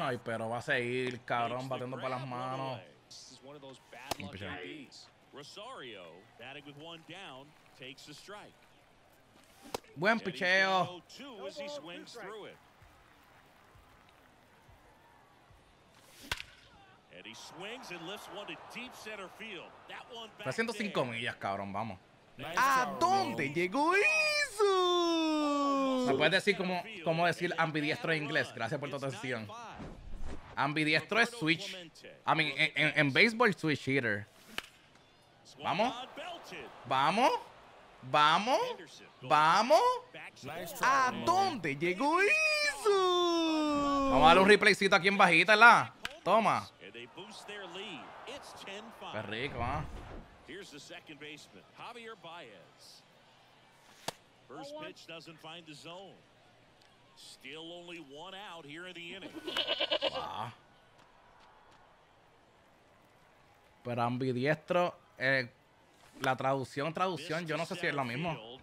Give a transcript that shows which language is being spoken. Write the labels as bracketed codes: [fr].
[es] Ay, pero va a seguir, cabrón, batiendo para las manos. [en] This is one of those bad luck IDs. Rosario, batting with one down, takes the strike. [es] Buen picheo. [en] As he swings through it. He swings and lifts one to deep center field. That one back. [es] 305 millas, cabrón, vamos. [en] Nice. [es] ¿A dónde llegó eso? ¿Me puedes decir cómo decir ambidiestro en inglés? Gracias por tu atención. Ambidiestro es switch. [en] I mean, [es] en baseball switch hitter. ¿Vamos? ¿Vamos? ¿Vamos? ¿Vamos? ¿A dónde llegó eso? Vamos a darle un replaycito aquí en bajita, la. Toma. [en] They boost their lead. It's 10-5. [es] Qué rico, ¿eh? [en] Here's the second baseman, Javier Baez. First pitch doesn't find the zone. Still only one out here in the inning. Wow. [es] Pero ambidiestro, la traducción, yo no sé si es lo mismo.